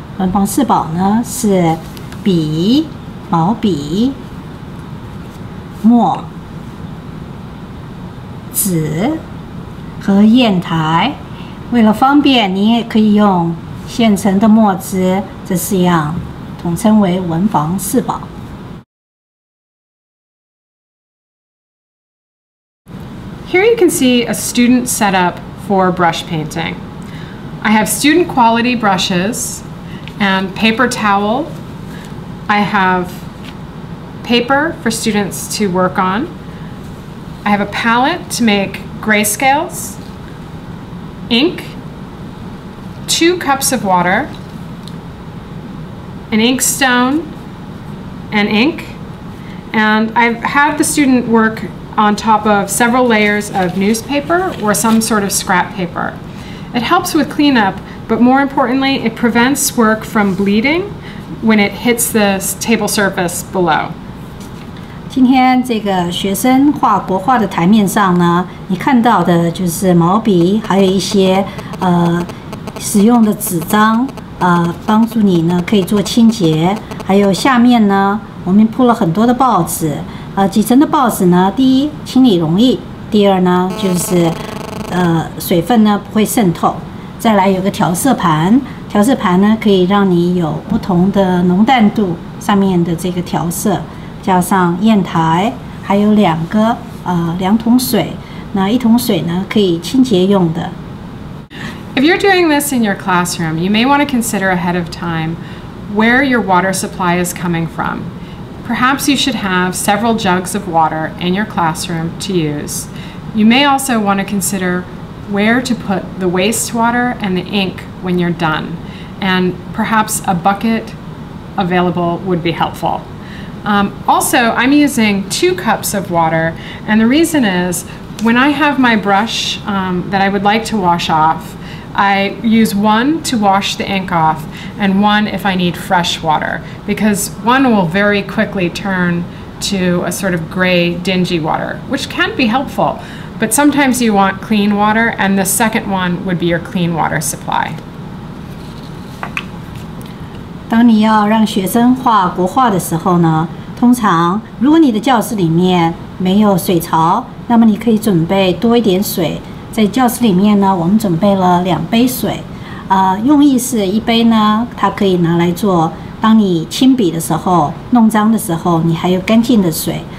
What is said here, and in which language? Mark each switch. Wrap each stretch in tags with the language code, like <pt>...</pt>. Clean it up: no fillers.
<zh>文房四宝呢是笔、毛笔、墨、纸和砚台。为了方便，你也可以用现成的墨汁，这四样统称为文房四宝。</zh> <en>Here you can see a student setup for brush painting. I have student quality brushes and paper towel. I have paper for students to work on. I have a palette to make grayscales, ink, 2 cups of water, an ink stone, and ink. And I've had the student work on top of several layers of newspaper or some sort of scrap paper. It helps with cleanup, but more importantly, it prevents work from bleeding when it hits the table surface below.</en> <zh>今天这个学生画国画的台面上呢，你看到的就是毛笔，还有一些使用的纸张，帮助你呢可以做清洁。还有下面呢，我们铺了很多的报纸。几层的报纸呢？第一，清理容易；第二呢，就是水分呢不会渗透。再来有个调色盘，调色盘呢可以让你有不同的浓淡度上面的这个调色，加上砚台，还有两桶水，那一桶水呢可以清洁用的。</zh> <en>If you're doing this in your classroom, you may want to consider ahead of time where your water supply is coming from. Perhaps you should have several jugs of water in your classroom to use. You may also want to consider where to put the wastewater and the ink when you're done. And perhaps a bucket available would be helpful. Also, I'm using 2 cups of water. And the reason is when I have my brush that I would like to wash off, I use 1 to wash the ink off and 1 if I need fresh water, because 1 will very quickly turn to a sort of gray, dingy water, which can be helpful. But sometimes you want clean water, and the second one would be your clean water supply.</en> <zh>当你要让学生画国画的时候呢，通常如果你的教室里面没有水槽，那么你可以准备多一点水。在教室里面呢，我们准备了2杯水，用意是一杯呢，它可以拿来做当你亲笔的时候、弄脏的时候，你还有干净的水。</zh>